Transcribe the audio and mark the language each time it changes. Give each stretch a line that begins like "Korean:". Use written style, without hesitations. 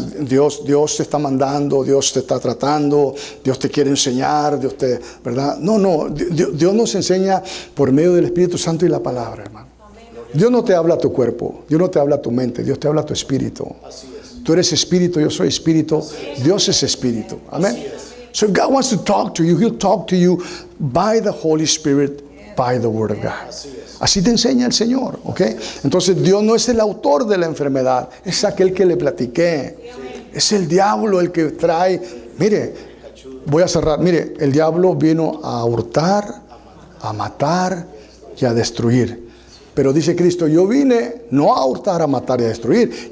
Spanish: Dios te está mandando, Dios te está tratando, Dios te quiere enseñar, Dios te, ¿verdad? No, Dios nos enseña por medio del Espíritu Santo y la palabra, hermano. Dios no te habla a tu cuerpo, Dios no te habla a tu mente, Dios te habla a tu espíritu. Tú eres espíritu, yo soy espíritu, Dios es espíritu. Amén.
English: So if God wants to talk to you, He'll talk to you by the Holy Spirit, by the Word of God.
Spanish: Así te enseña el Señor, ¿ok? Entonces, Dios no es el autor de la enfermedad. Es aquel que le platiqué. Es el diablo el que trae. Mire, voy a cerrar. Mire, el diablo vino a hurtar, a matar y a destruir. Pero dice Cristo, yo vine no a hurtar, a matar y a destruir.